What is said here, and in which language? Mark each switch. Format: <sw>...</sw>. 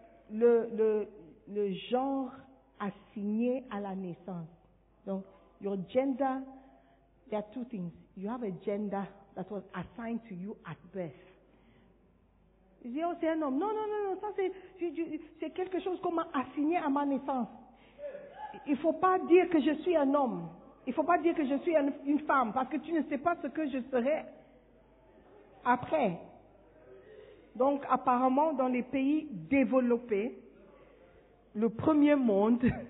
<fr>Le genre assigné à la naissance. Donc,</fr> <en>your gender. There are two things. You have a gender that was assigned to you at birth.</en> <fr>Je dis, oh, c'est un homme. Non, ça c'est quelque chose qu'on m'a assigné à ma naissance. Il ne faut pas dire que je suis un homme. Il ne faut pas dire que je suis une femme, parce que tu ne sais pas ce que je serai après. Donc, apparemment, dans les pays développés, le premier monde,</fr>